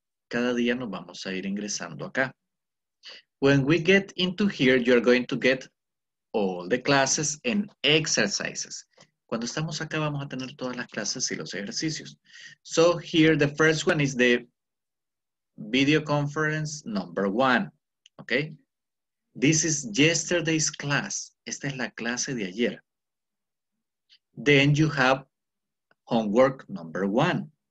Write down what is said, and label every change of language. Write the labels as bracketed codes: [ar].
[es] Cada día nos vamos a ir ingresando acá. [en] When we get into here, you're going to get all the classes and exercises. [es] Cuando estamos acá, vamos a tener todas las clases y los ejercicios. [en] So, here the first one is the video conference number one, okay? This is yesterday's class. [es] Esta es la clase de ayer. [en] Then you have homework number one.